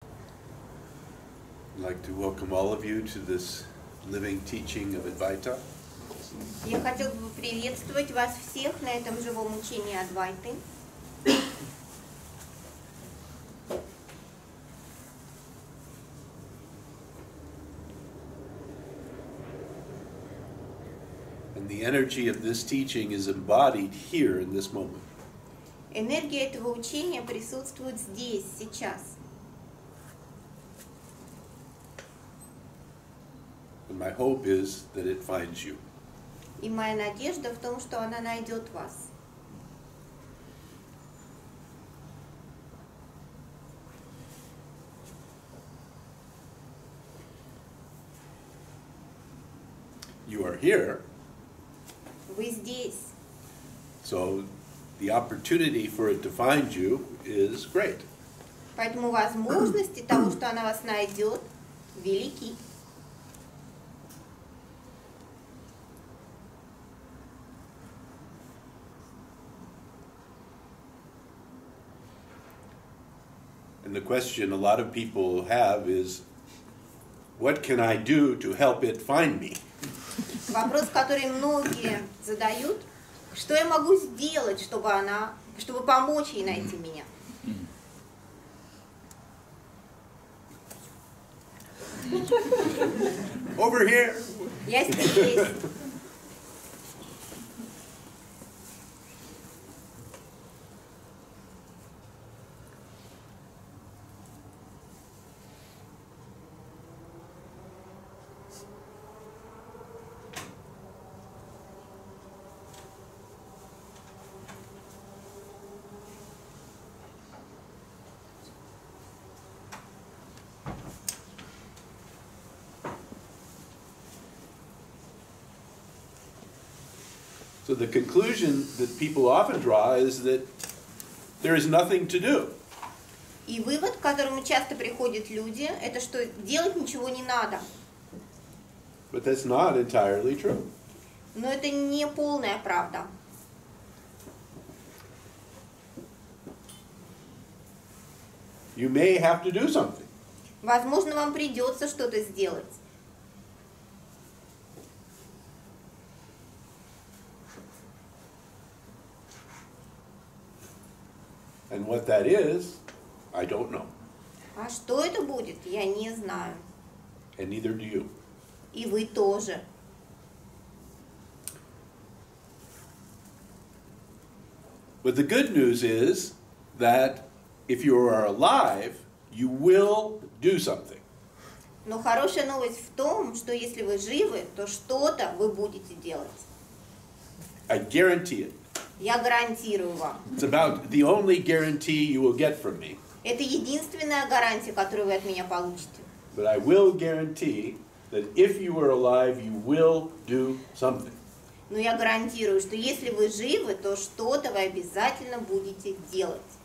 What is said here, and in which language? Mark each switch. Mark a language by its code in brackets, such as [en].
[en] I'd like to welcome all of you to this living teaching of Advaita. [ru] Я хотел бы приветствовать вас всех на этом живом учении Адвайты. [en] And the energy of this teaching is embodied here in this moment. [ru] Энергия этого учения присутствует здесь, сейчас. [en] And my hope is that it finds you. [ru] И моя надежда в том, что она найдет вас. [en] You are here. [ru] Вы здесь. [en] So the opportunity for it to find you is great. [ru] Поэтому возможности того, что она вас найдет, велики. [en] And the question a lot of people have is, what can I do to help it find me? [ru] Вопрос, который многие задают, что я могу сделать, чтобы помочь ей найти меня? [en] Over here. [ru] Я здесь. [en] So the conclusion that people often draw is that there is nothing to do. [ru] И вывод, к которому часто приходят люди, это что делать ничего не надо. [en] But that's not entirely true. [ru] Но это не полная правда. [en] You may have to do something. [ru] Возможно, вам придется что-то сделать. [en] And what that is, I don't know. [ru] А что это будет, я не знаю. [en] And neither do you. [ru] И вы тоже. [en] But the good news is that if you are alive, you will do something. [ru] Но хорошая новость в том, что если вы живы, то что-то вы будете делать. [en] I guarantee it. [ru] Я гарантирую вам. [en] It's about the only guarantee you will get from me. [ru] Это единственная гарантия, которую вы от меня получите. [en] But I will guarantee that if you are alive, you will do something. [ru] Но я гарантирую, что если вы живы, то что-то вы обязательно будете делать.